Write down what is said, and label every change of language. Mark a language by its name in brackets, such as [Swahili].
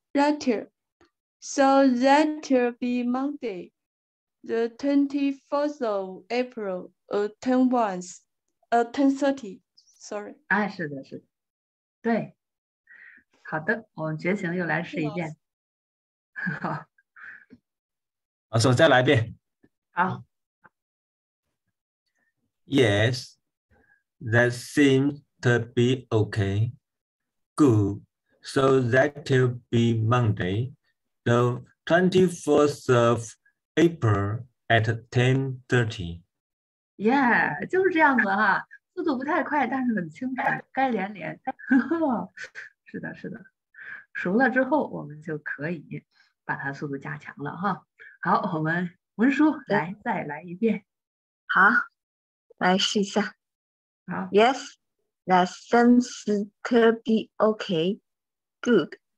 [English] That'll, so that'll be Monday, the 24th of April, at 10:30. Sorry. [Chinese] 哎，是的，是的，对，好的，我们觉醒又来试一遍。好，老师再来一遍。好。 [English] Yes, that seems to be okay. Good. So that'll be Monday, the 24th of April at 10:30. [Chinese] Yeah, 就是这样子哈，速度不太快，但是很清楚，该连连。是的，是的，熟了之后我们就可以把它速度加强了哈。好，我们文书来再来一遍。好，来试一下。好。 [English] Yes, that seems to be okay. Good.